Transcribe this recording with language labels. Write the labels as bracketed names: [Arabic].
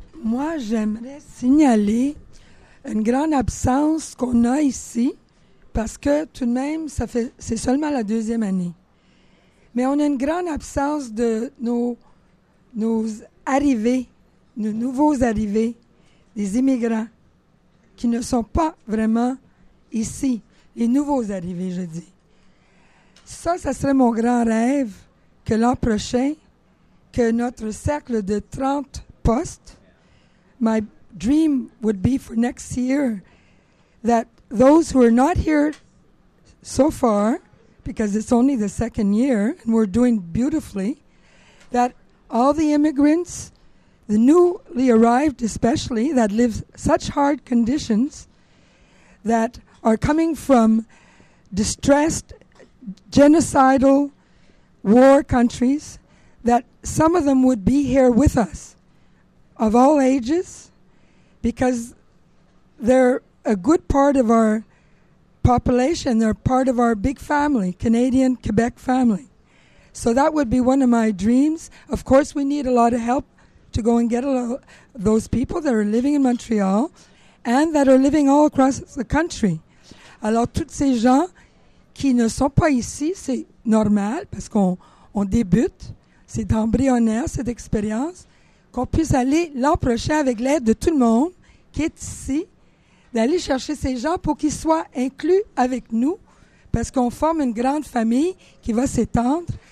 [French] Moi, j'aimerais signaler une grande absence qu'on a ici, parce que tout de même, c'est seulement la deuxième année. Mais on a une grande absence de nos arrivées, nos nouveaux arrivés, des immigrants qui ne sont pas vraiment ici, les nouveaux arrivés, je dis. Ça serait mon grand rêve que l'an prochain, que notre cercle de 30 postes, [English] my dream would be for next year, that those who are not here so far, because it's only the second year, and we're doing beautifully, that all the immigrants, the newly arrived especially, that live such hard conditions, that are coming from distressed, genocidal, war countries, that some of them would be here with us, of all ages, because they're a good part of our population, they're part of our big family, Canadian Quebec family. So that would be one of my dreams. Of course, we need a lot of help to go and get those people that are living in Montreal and that are living all across the country. [French] Alors, toutes ces gens qui ne sont pas ici, c'est normal parce qu'on débute, c'est embryonnaire, cette expérience, qu'on puisse aller l'an prochain avec l'aide de tout le monde qui est ici, d'aller chercher ces gens pour qu'ils soient inclus avec nous, parce qu'on forme une grande famille qui va s'étendre.